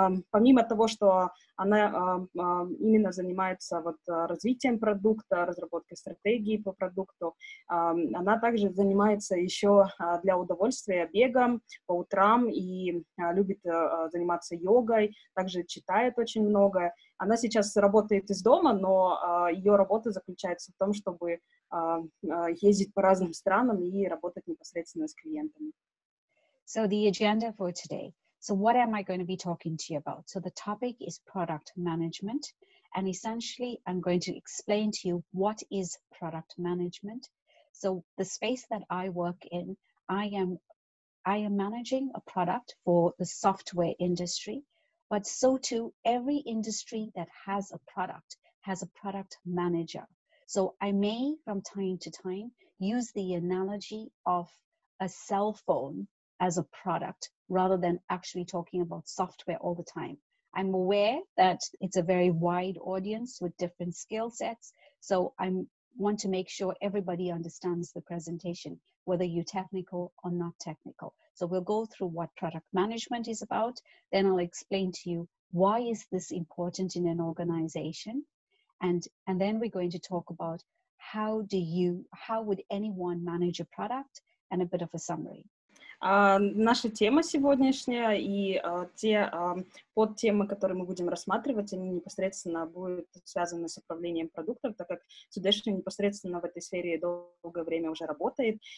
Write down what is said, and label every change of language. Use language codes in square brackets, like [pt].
[ru] помимо того, что она именно занимается вот развитием продукта, разработкой стратегии по продукту, она также занимается еще для удовольствия бегом по утрам и любит заниматься йогой, также читает очень много. Она сейчас работает из дома, но ее работа заключается в том, чтобы ездить по разным странам и работать непосредственно с клиентами. [en] So the agenda for today. So what am I going to be talking to you about? So the topic is product management. And essentially, I'm going to explain to you what is product management. So the space that I work in, I am managing a product for the software industry, but so too every industry that has a product manager. So I may from time to time use the analogy of a cell phone as a product rather than actually talking about software all the time. I'm aware that it's a very wide audience with different skill sets. So I want to make sure everybody understands the presentation, whether you're technical or not technical. So we'll go through what product management is about. Then I'll explain to you why is this important in an organization. And then we're going to talk about how would anyone manage a product and a bit of a summary. [ru] Наша тема сегодняшняя и те подтемы, которые мы будем рассматривать, они непосредственно будут связаны с управлением продуктом, так как Судешни непосредственно в этой сфере долгое время уже работает.